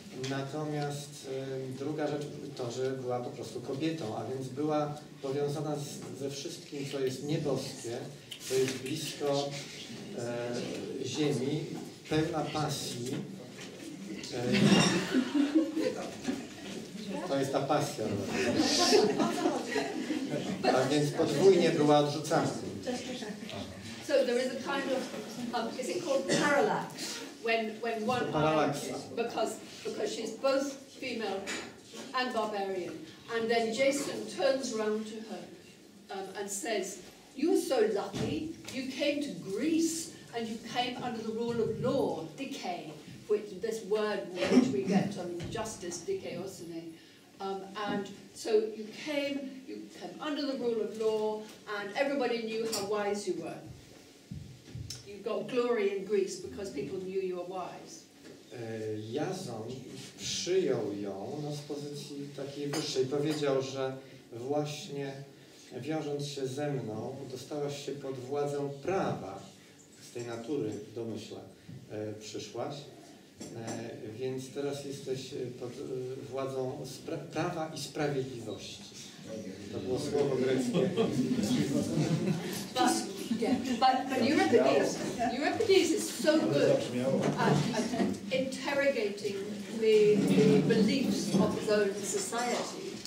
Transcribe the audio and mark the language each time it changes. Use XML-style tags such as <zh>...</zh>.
<pl>Natomiast druga rzecz to, że była po prostu kobietą, a więc była powiązana ze wszystkim, co jest nieboskie, co jest blisko ziemi, pełna pasji. To jest ta pasja. A więc podwójnie była odrzucana.</pl> <en>So there is a kind of, is it called parallax? When one is, because she's both female and barbarian, and then Jason turns around to her and says, "You're so lucky. You came to Greece and you came under the rule of law, dikai, which this word which we get on justice, dikaiosune. And so you came under the rule of law, and everybody knew how wise you were." Got glory in Greece because people knew you were wise.</en> <pl>Jason przyjął ją z pozycji takiej wyższej. Powiedział, że właśnie wiążąc się ze mną, dostałaś się pod władzę prawa. Z tej natury, domyśla, przyszłaś. Więc teraz jesteś pod władzą prawa i sprawiedliwości. To było słowo greckie.</pl> <en>Yeah, but Euripides is so good at interrogating the beliefs of his own society.</en>